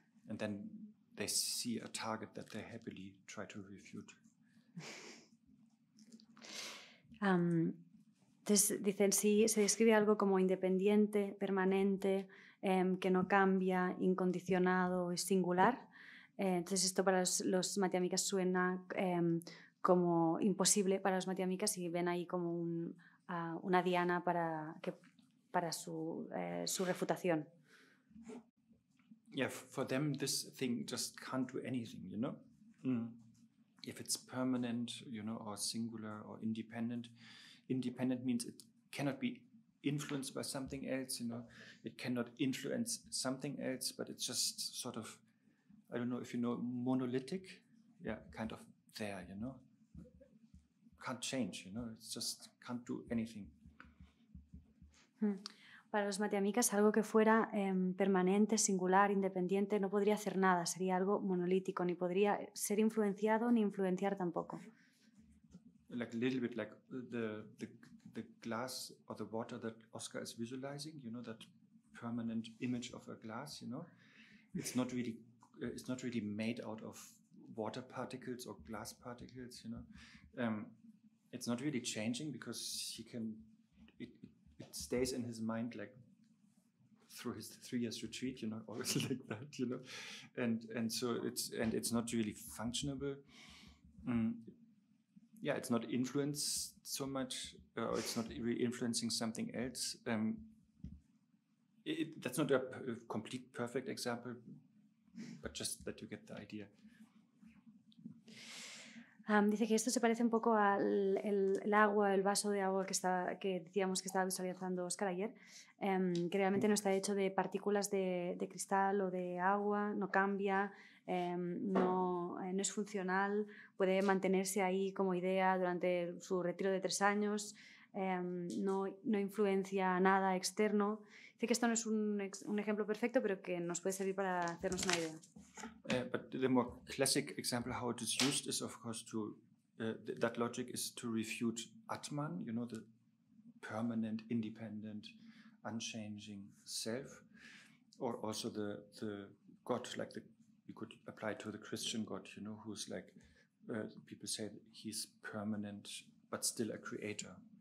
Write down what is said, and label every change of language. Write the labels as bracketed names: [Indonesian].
[English] And then they see a target that they happily try to refute. [Spanish] Entonces dicen, si se describe algo como independiente, permanente, que no cambia, incondicionado, es singular, entonces esto para los Madhyamikas suena como imposible para los Madhyamikas y ven ahí como una diana para su refutación. [English] Yeah, for them this thing just can't do anything, you know? Mm. If it's permanent, you know, or singular or independent. Independent means it cannot be influenced by something else, you know? It cannot influence something else, but it's just sort of, I don't know if you know, monolithic? Yeah, kind of there, you know? Can't change, you know? It's just can't do anything. [Spanish] Para los matiamikas, algo que fuera permanente, singular, independiente, no podría hacer nada, sería algo monolítico, ni podría ser influenciado ni influenciar tampoco. [English] Like a little bit like the glass or the water that Oscar is visualizing, you know, that permanent image of a glass, you know, it's not really made out of water particles or glass particles, you know, it's not really changing because he can. It stays in his mind like through his 3 years retreat, you know, always like that, you know, and so it's not really functionable. Yeah, it's not influenced so much, or it's not really influencing something else. That's not a complete perfect example, but just that you get the idea. [Spanish] Dice que esto se parece un poco al agua, el vaso de agua que decíamos que estaba visualizando Oscar ayer, que realmente no está hecho de partículas de cristal o de agua, no cambia, no es funcional, puede mantenerse ahí como idea durante su retiro de 3 años, no influencia nada externo. Dice que esto no es un ejemplo perfecto, pero que nos puede servir para hacernos una idea. [English] But the more classic example how it is used is, of course, to that logic is to refute Atman, you know, the permanent, independent, unchanging self, or also the God, like you could apply to the Christian God, you know, who's like, people say he's permanent, but still a creator.